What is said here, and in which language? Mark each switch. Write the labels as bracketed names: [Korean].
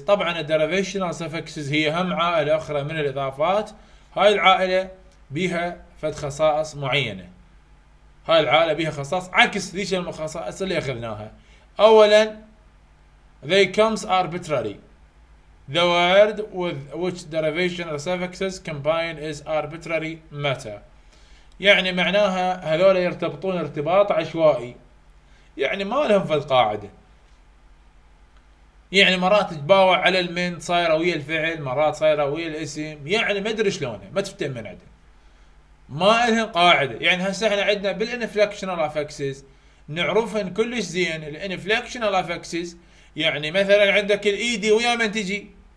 [Arabic] طبعا الديريفيشنال سفكسز هي هم عائلة اخرى من الاضافات، هاي العائلة بها فد خصائص معينة، هاي العائلة بها خصائص عكس ذيش المخصائص اللي اخذناها. اولا [English] they comes arbitrary، the word with which derivational suffixes combine is arbitrary matter، [Arabic] يعني معناها هذول يرتبطون ارتباط عشوائي، يعني ما لهم فد قاعدة. يعني مرات تباوع على المن صايره ويا الفعل، مرات صايره ويا الاسم، يعني ما ادري شلونها ما تفتهم من عندها، ما لهم قاعده. يعني هسه احنا عندنا بالانفلكشنال افكسز نعرف ان كلش زين الانفلكشنال افكسز، يعني مثلا عندك الاي دي ويا من تجي